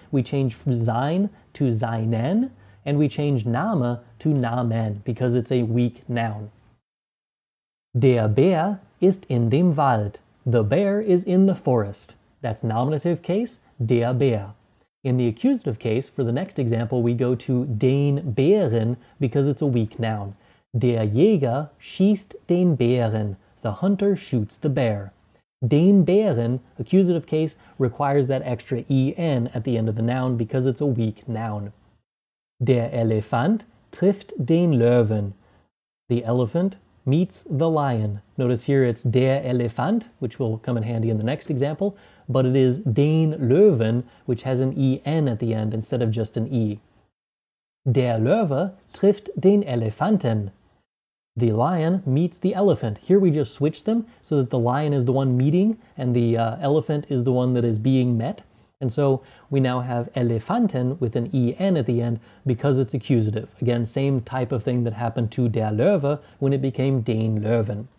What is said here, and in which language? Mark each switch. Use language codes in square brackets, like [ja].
[en] We change sein to seinen, and we change Name to Namen, because it's a weak noun. [de] Der Bär ist in dem Wald. [en] The bear is in the forest. That's nominative case, [de] der Bär. [en] In the accusative case, for the next example, we go to [de] den Bären, [en] because it's a weak noun. [de] Der Jäger schießt den Bären. [en] The hunter shoots the bear. [de] Den Bären, [en] accusative case, requires that extra en at the end of the noun because it's a weak noun. [de] Der Elefant trifft den Löwen. [en] The elephant meets the lion. Notice here it's [de] der Elefant, [en] which will come in handy in the next example, but it is [de] den Löwen, [en] which has an en at the end instead of just an e. [de] Der Löwe trifft den Elefanten. [en] The lion meets the elephant. Here we just switch them so that the lion is the one meeting and the elephant is the one that is being met. And so we now have Elefanten with an en at the end because it's accusative. Again, same type of thing that happened to [de] der Löwe [en] when it became [de] den Löwen.